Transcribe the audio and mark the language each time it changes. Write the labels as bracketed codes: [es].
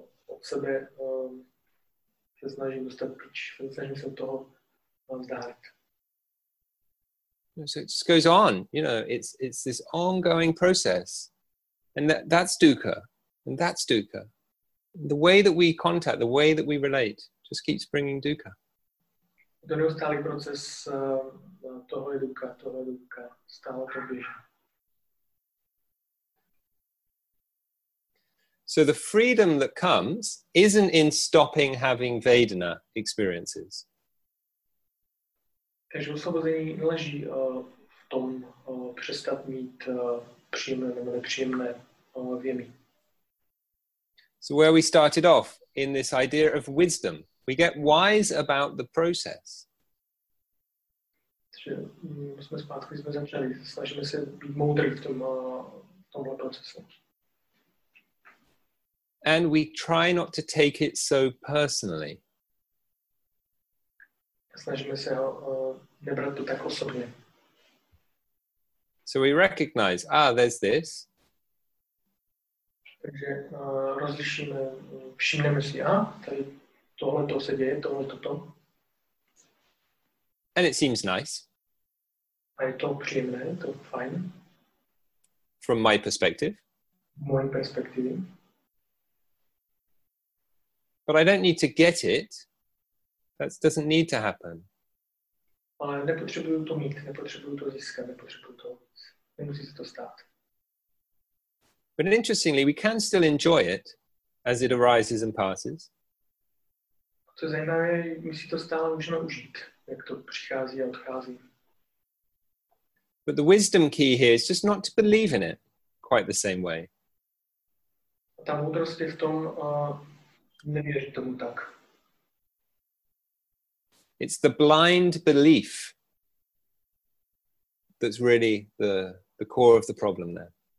[cs] Od sebe se snažím dostat pryč, snažím se od toho vzdálit. [en] So it just goes on, you know, it's this ongoing process. And that's dukkha, and that's dukkha. The way that we contact, the way that we relate, just keeps bringing dukkha. [cs] To neustálý proces toho je dukkha, stále to běží. [en] So the freedom that comes isn't in stopping having Vedana experiences. [cs] Takže osvobození leží v tom přestat mít příjemné nebo nepříjemné vjemy. [en] So where we started off in this idea of wisdom, we get wise about the process. [cs] Takže jsme zpátky, jsme začali, snažíme se být moudrý v tom tomhle procesu. [en] And we try not to take it so personally. [cs] Snažíme se nebrat to tak osobně. [en] So we recognize, there's this. [cs] Takže rozlišíme, všimneme si, tady tohle to se děje, tohle to to. [en] And it seems nice. [cs] A je to příjemné, to fajn. [en] From my perspective. [cs] Mojí perspektivy. [en] But I don't need to get it. That doesn't need to happen. [cs] Ale nepotřebuju to mít, nepotřebuju to získat, nepotřebuju to, nemusí se to stát. [en] But interestingly, we can still enjoy it as it arises and passes. [cs] Co zajímavé, my si to stále můžeme užít, jak to přichází a odchází. [en] But the wisdom key here is just not to believe in it quite the same way. [cs] A ta moudrost je v tom, nevěřit tomu tak. [en] It's the blind belief that's really the core of the problem there.